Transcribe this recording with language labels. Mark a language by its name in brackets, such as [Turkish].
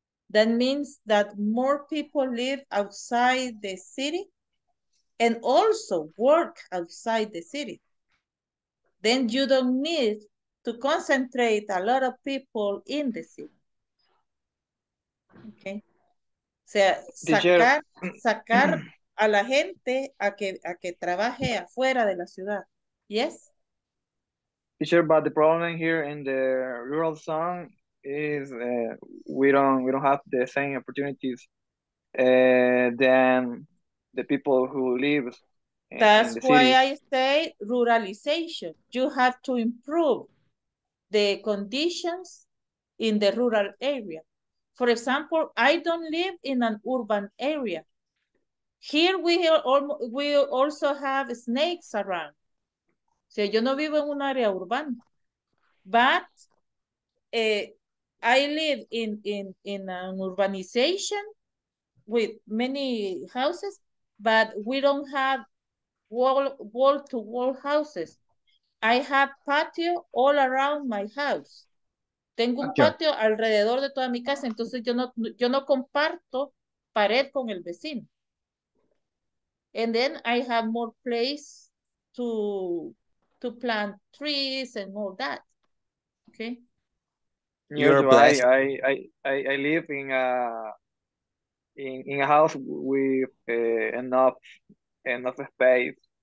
[English] That means that more people live outside the city and also work outside the city. Then you don't need to concentrate a lot of people in the city. Okay. [Spanish] O sea, sacar a la gente a que trabaje afuera de la ciudad. [English] Yes? Teacher, but the problem here in the rural zone is we don't have the same opportunities than the people who live in the city. That's why I say ruralization. You have to improve the conditions in the rural area. For example, I don't live in an urban area. Here we also have snakes around. So [Spanish] yo no vivo en un área urbana. [English] But I live in an urbanization with many houses, but we don't have wall-to-wall houses. I have patio all around my house. [Spanish] Tengo un patio alrededor de toda mi casa, entonces yo no comparto pared con el vecino. [English] And then I have more place to plant trees and all that. Okay. You're blessed. I live in a house with enough space.